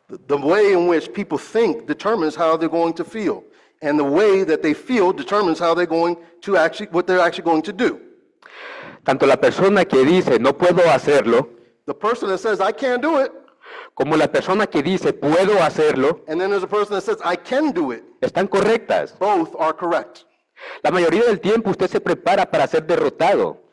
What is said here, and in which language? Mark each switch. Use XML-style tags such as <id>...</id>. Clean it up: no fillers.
<en>The way in which people think determines how they're going to feel. And the way that they feel determines how they're going to actually, what they're actually going to do.</en> <es>Tanto la persona que dice, no puedo hacerlo.</es> <en>The person that says, I can't do it.</en> <es>Como la persona que dice, puedo hacerlo.</es> <en>And then there's a person that says, I can do it.</en> <es>Están correctas.</es> <en>Both are correct.</en> <es>La mayoría del tiempo usted se prepara para ser derrotado.</es>